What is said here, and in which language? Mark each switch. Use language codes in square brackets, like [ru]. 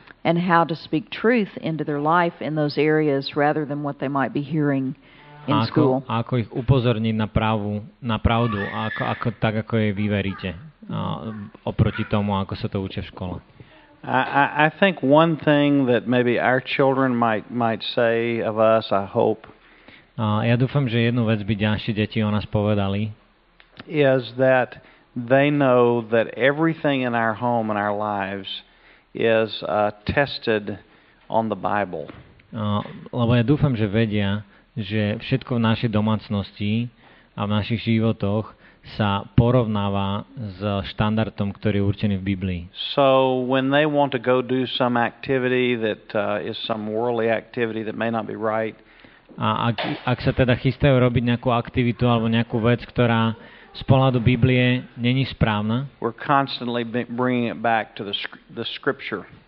[en] And how to speak truth into their life in those areas rather than what they might be hearing in school. [sk] Ako ich upozorniť na pravdu, ako tak, ako jej vyveríte. Oproti tomu, ako sa to učia v škole. [en] I think one thing that maybe our children might say of us, I hope. [sk] Ja dúfam, že jednu vec by ďalšie deti o nás povedali. [en] Is that they know that everything in our home and our lives is tested on the Bible. [sk] Lebo ja dúfam, že vedia, že všetko v našej domácnosti a v našich životoch sa porovnáva s štandardom, ktorý je určený v Biblii. [en] So when they want to go do some activity that is some worldly activity that may not be right. [sk] A ak sa teda chystajú robiť nejakú aktivitu alebo nejakú vec, ktorá z pohľadu Biblie není správna. [en] We're constantly bringing it back to the scripture.